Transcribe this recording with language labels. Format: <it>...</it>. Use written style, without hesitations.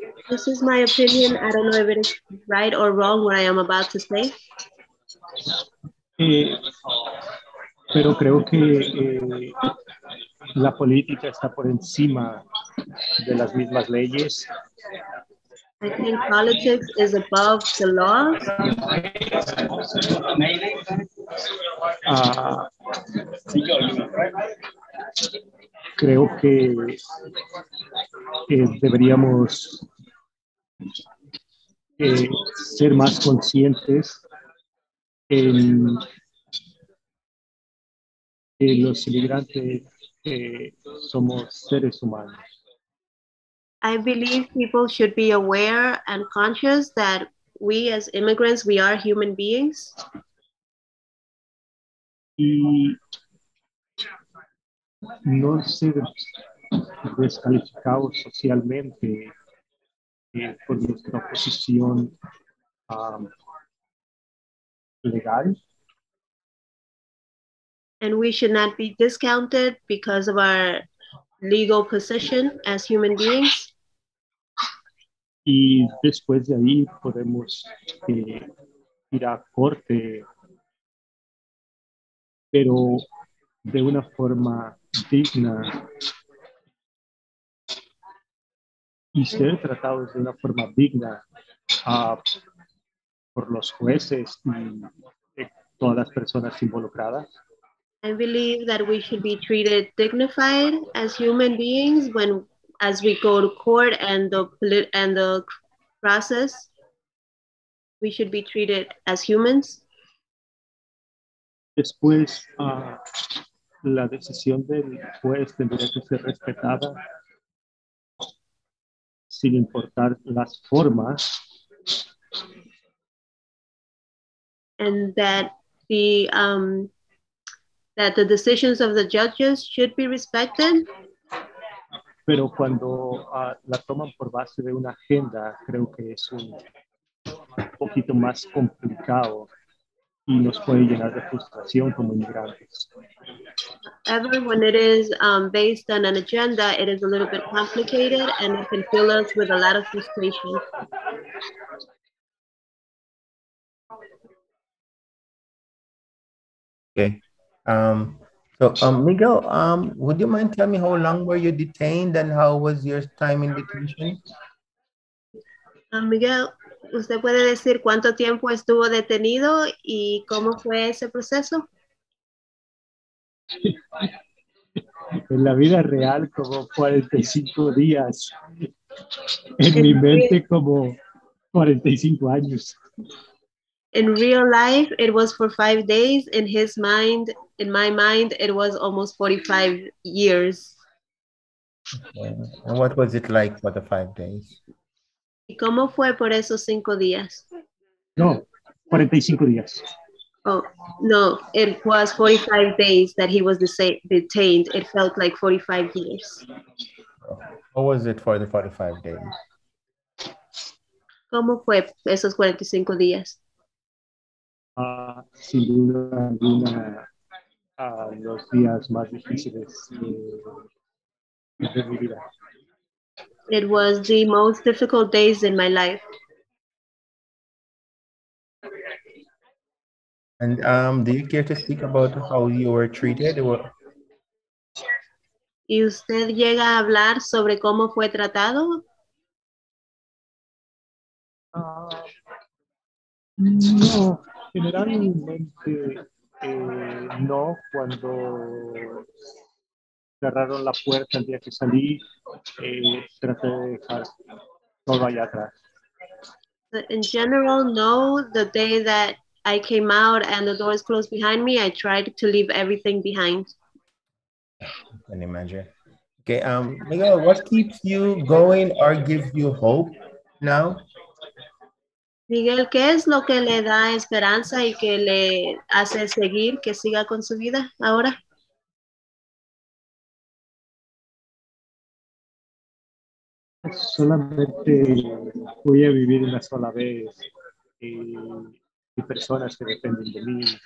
<en>This is my opinion, I don't know if it is right or wrong what I am about to say.</en> <es>Pero creo que la política está por encima de las mismas leyes.</es> <en>I think politics is above the law.</en> <es>Creo que deberíamos ser más conscientes en que los inmigrantes somos seres humanos.</es> <en>I believe people should be aware and conscious that we as immigrants, we are human beings.</en> <es>Y no ser descalificados socialmente por nuestra posición legal.</es> <en>And we should not be discounted because of our legal position as human beings.</en> <es>Y después de ahí podemos ir a corte, pero de una forma digna y ser tratados de una forma digna por los jueces y todas las personas involucradas.</es> <en>I believe that we should be treated dignified as human beings when as we go to court and the process. We should be treated as humans.</en> <es>Después, la decisión del juez tendría que ser respetada sin importar las formas.</es> <en>And that the decisions of the judges should be respected.</en> <es>Pero cuando la toman por base de una agenda, creo que es un poquito más complicado y nos puede llenar de frustración como inmigrantes.</es> <en>Ever when it is based on an agenda, it is a little bit complicated and it can fill us with a lot of frustration. Okay. Miguel, would you mind telling me how long were you detained and how was your time in detention?</en> <es>Miguel, ¿usted puede decir cuánto tiempo estuvo detenido y cómo fue ese proceso? En la vida real, como 45 días. En mi mente, como 45 años.</es> <en>In real life, it was for 5 days. In my mind, it was almost 45 years. And what was it like for the 5 days?</en> <es>¿Y cómo fue por esos 5 días? No, 45 días.</es> <en>Oh, no, it was 45 days that he was detained. It felt like 45 years. What was it for the 45 days?</en> <es>¿Cómo fue esos 45 días? Sin duda alguna, los días más difíciles de mi vida.</es> <en>It was the most difficult days in my life. And do you care to speak about how you were treated?</en> <es>¿Y usted llega a hablar sobre cómo fue tratado? No. Generalmente, no, cuando cerraron la puerta el día que salí, traté de dejar todo allá atrás.</es> <en>In general, no, the day that I came out and the doors closed behind me, I tried to leave everything behind. Can you imagine? Okay, Miguel, what keeps you going or gives you hope now?</en> <es>Miguel, ¿qué es lo que le da esperanza y que le hace seguir, que siga con su vida ahora? Solamente voy a vivir una sola vez y personas que dependen de mí.</es>